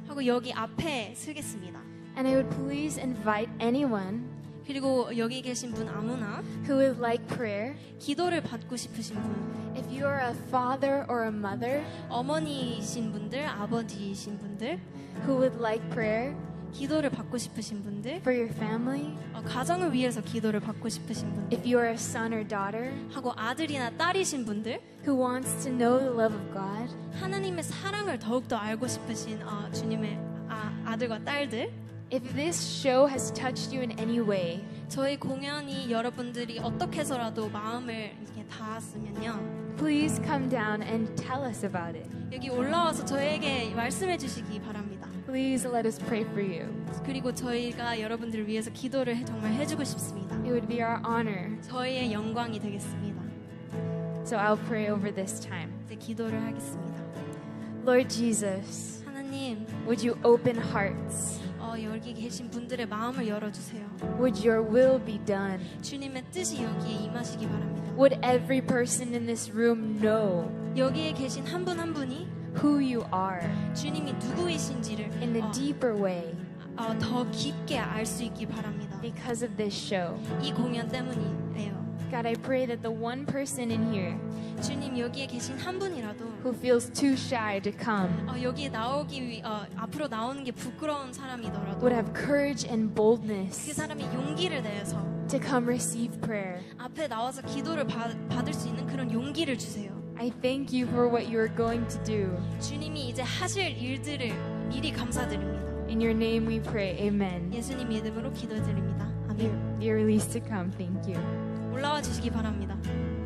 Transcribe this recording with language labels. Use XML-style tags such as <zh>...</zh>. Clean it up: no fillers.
<ko>하고 여기 앞에 서겠습니다.</ko> <en>And I would please invite anyone</en> <ko>그리고 여기 계신 분 아무나</ko> <en>who would like prayer</en> <ko>기도를 받고 싶으신 분</ko> <en>if you are a father or a mother</en> <ko>어머니이신 분들, 아버지이신 분들</ko> <en>who would like prayer</en> <ko>기도를 받고 싶으신 분들</ko> <en>for your family</en> <ko>가정을 위해서 기도를 받고 싶으신 분들</ko> <en>if you are a son or daughter</en> <ko>하고 아들이나 딸이신 분들</ko> <en>who wants to know the love of God</en> <ko>하나님의 사랑을 더욱더 알고 싶으신 주님의 아들과 딸들</ko> <en>If this show has touched you in any way,</en> <ko>저희 공연이 여러분들이 어떻게 해서라도 마음을 이렇게 닿았으면요,</ko> <en>please come down and tell us about it.</en> <ko>여기 올라와서 저에게 말씀해 주시기 바랍니다.</ko> <en>Please let us pray for you.</en> <ko>그리고 저희가 여러분들을 위해서 기도를 정말 해주고 싶습니다.</ko> <en>It would be our honor.</en> <ko>저희의 영광이 되겠습니다.</ko> <en>So I'll pray over this time.</en> <ko>이제 기도를 하겠습니다.</ko> <en>Lord Jesus,</en> <ko>하나님,</ko> <en>would you open hearts?</en> <ko>여기 계신 분들의 마음을 열어주세요.</ko> <en>Would your will be done?</en> <ko>주님의 뜻이 여기에 임하시기 바랍니다.</ko> <en>Would every person in this room know?</en> <ko>여기에 계신 한 분 한 분이</ko> <en>who you are?</en> <ko>주님이 누구이신지를</ko> <en>in a deeper way.</en> <ko>더 깊게 알 수 있기 바랍니다.</ko> <en>Because of this show.</en> <ko>이 공연 때문이에요.</ko> <en>God, I pray that the one person in here</en> <ko>주님 여기에 계신 한 분이라도</ko> <en>who feels too shy to come</en> <ko>여기에 나오기 앞으로 나오는 게 부끄러운 사람이더라도</ko> <en>would have courage and boldness</en> <ko>그 사람이 용기를 내서</ko> <en>to come receive prayer</en> <ko>앞에 나와서 기도를 받을 수 있는 그런 용기를 주세요.</ko> <en>I thank you for what you are going to do</en> <ko>주님이 이제 하실 일들을 미리 감사드립니다.</ko> <en>In your name we pray. Amen.</en> <ko>예수님 이름으로 기도드립니다. 아멘.</ko> <en>You're released to come. Thank you.</en> <ko>올라와 주시기 바랍니다.</ko>